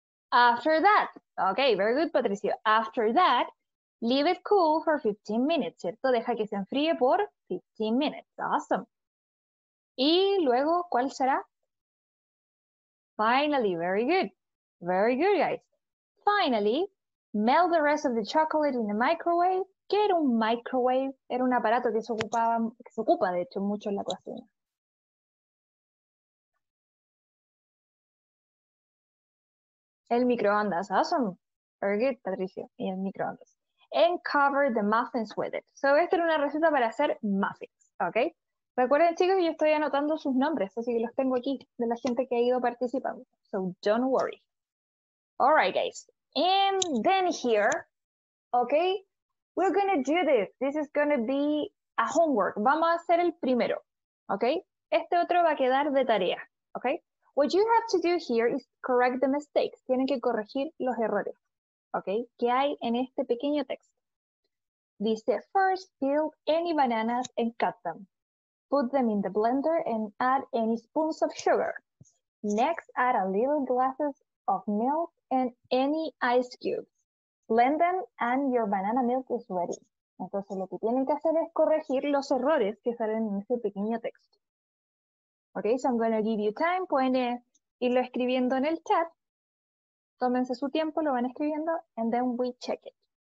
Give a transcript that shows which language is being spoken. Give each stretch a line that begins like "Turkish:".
English: After that. Okay, very good, Patricio. After that, leave it cool for 15 minutes,
Spanish: ¿cierto? Deja que se enfríe por 15
English: minutes. Awesome.
Spanish: Y luego, ¿cuál será?
English: Finally, very good. Very good, guys. Finally, melt the rest of the chocolate in the microwave.
Spanish: ¿Qué era un microwave? Era un aparato que se ocupaba, que se ocupa, de hecho, mucho en la cocina. El microondas,
English: awesome. Very good,
Spanish: Patricio. Y el microondas.
English: And cover the muffins with it.
Spanish: So, esta era una receta para hacer muffins, ¿ok? Recuerden, chicos, yo estoy anotando sus nombres, así que los tengo aquí, de la gente que ha ido participando.
English: So, don't worry. All right, guys. And then here, okay, we're going to do this. This is going to be a homework.
Spanish: Vamos a hacer el primero,
English: okay?
Spanish: Este otro va a quedar de tarea,
English: okay? What you have to do here is correct the mistakes.
Spanish: Tienen que corregir los errores, okay? ¿Qué hay en este pequeño texto?
English: Dice, first, peel any bananas and cut them. Put them in the blender and add any spoons of sugar. Next, add a little glasses of milk and any ice cubes. Blend them and your banana milk is ready.
Spanish: Entonces lo que tienen que hacer es corregir los errores que salen en ese pequeño texto.
English: Okay, so I'm going to give you time.
Spanish: Pueden irlo escribiendo en el chat. Tómense su tiempo, lo van escribiendo,
English: and then we check it.